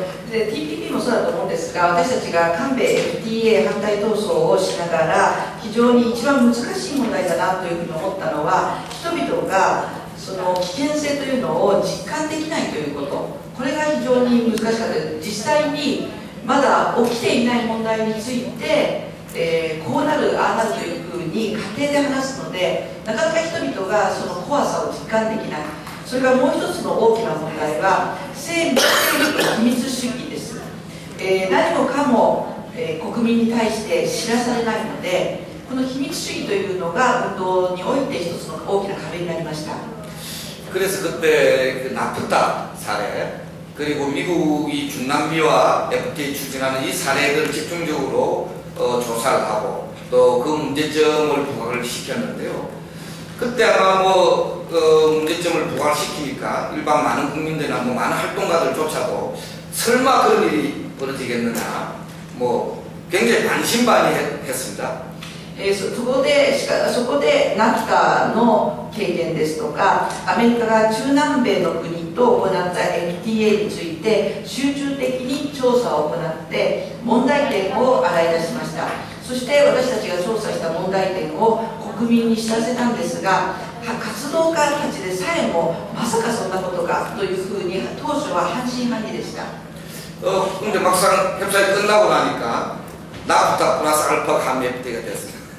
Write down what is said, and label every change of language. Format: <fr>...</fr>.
<ja>TPP もそうだと思うんですが、私たちが韓米FTA反対闘争をしながら非常に一番難しい問題だなというふうに思ったのは、人々がその危険性というのを実感できないということ、これが非常に難しかったです。実際にまだ起きていない問題について、こうなる、ああなるというふうに家庭で話すので、なかなか人々がその怖さを実感できない。それからもう一つの大きな問題は、秘密主義です。何もかも国民に対して知らされないので、この秘密主義というのが運動において一つの大きな壁になりました。</ja> <ko>그래서 그때 그 나프타 사례 그리고 미국이 중남미와 FTA 추진하는 이 사례를 집중적으로 조사를 하고 또 그 문제점을 부각을 시켰는데요. 그때 아마 뭐 문제점을 부각시키니까 일반 많은 국민들이나 뭐 많은 활동가들조차도 설마 그런 일이 벌어지겠느냐 뭐 굉장히 반신반의 했습니다. 그곳에 나프타의 경험</ko> <ja>ですとか、アメリカが中南米の国と行った FTA について集中的に調査を行って問題点を洗い出しました。そして私たちが調査した問題点を国民に知らせたんですが、活動家たちでさえもまさかそんなことかというふうに当初は半信半疑でした。</ja> <ko>근데 막상 협상이 끝나고 나니까 나프타 플러스 알파 한미FTA가 됐습니다.</ko>